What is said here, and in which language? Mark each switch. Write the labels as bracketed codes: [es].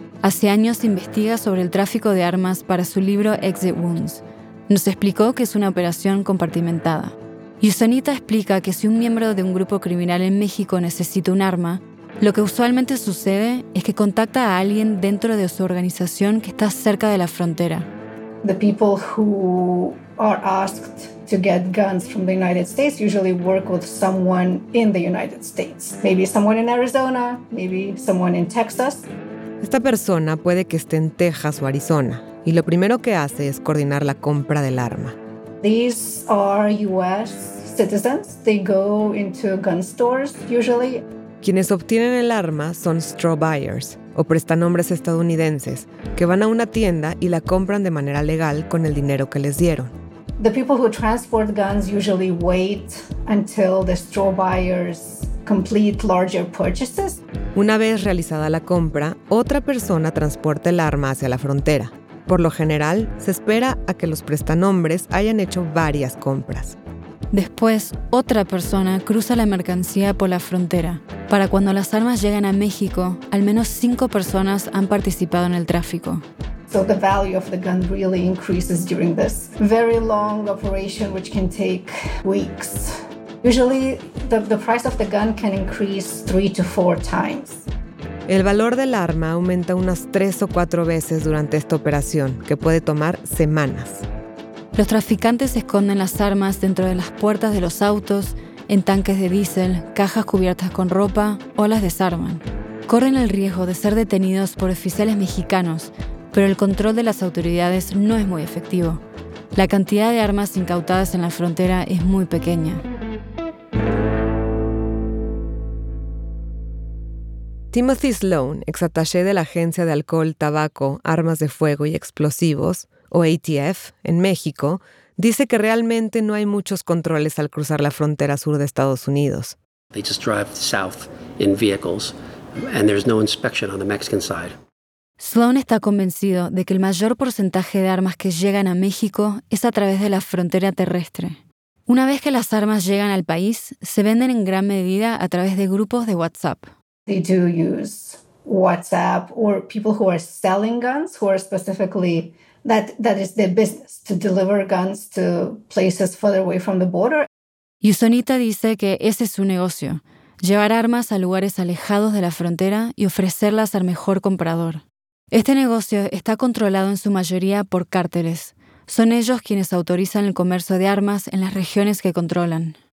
[es] Hace años investiga sobre el tráfico de armas para su libro Exit Wounds. Nos explicó que es una operación compartimentada. Yusonita explica que si un miembro de un grupo criminal en México necesita un arma, lo que usualmente sucede es que contacta a alguien dentro de su organización que está cerca de la frontera. [en] The people who are asked to get guns from the United States usually work with someone in the United States. Maybe someone in Arizona, maybe someone in Texas. [es] Esta persona puede que esté en Texas o Arizona, y lo primero que hace es coordinar la compra del arma. [en] These are US citizens. They go into gun stores usually. [es] Quienes obtienen el arma son straw buyers, o prestanombres estadounidenses, que van a una tienda y la compran de manera legal con el dinero que les dieron. [en] The people who transport guns usually wait until the straw buyers complete larger purchases. [es] Una vez realizada la compra, otra persona transporta el arma hacia la frontera. Por lo general, se espera a que los prestanombres hayan hecho varias compras. Después, otra persona cruza la mercancía por la frontera. Para cuando las armas llegan a México, al menos 5 personas han participado en el tráfico. [en] So the value of the gun really increases during this very long operation, which can take weeks. Usually, the price of the gun can increase 3 to 4 times. [es] El valor del arma aumenta unas 3 o 4 veces durante esta operación, que puede tomar semanas. Los traficantes esconden las armas dentro de las puertas de los autos, en tanques de diésel, cajas cubiertas con ropa o las desarman. Corren el riesgo de ser detenidos por oficiales mexicanos, pero el control de las autoridades no es muy efectivo. La cantidad de armas incautadas en la frontera es muy pequeña. Timothy Sloan, exattaché de la Agencia de Alcohol, Tabaco, Armas de Fuego y Explosivos, o ATF, en México, dice que realmente no hay muchos controles al cruzar la frontera sur de Estados Unidos. [en] They just drive south in vehicles and there's no inspection on the Mexican side. [es] Sloan está convencido de que el mayor porcentaje de armas que llegan a México es a través de la frontera terrestre. Una vez que las armas llegan al país, se venden en gran medida a través de grupos de WhatsApp. [en] They do use WhatsApp or people who are selling guns, who are specifically that is their business to deliver guns to places further away from the border. [es] Yusonita dice que ese es su negocio, llevar armas a lugares alejados de la frontera y ofrecerlas al mejor comprador. Este negocio está controlado en su mayoría por cárteles. Son ellos quienes autorizan el comercio de armas en las regiones que controlan.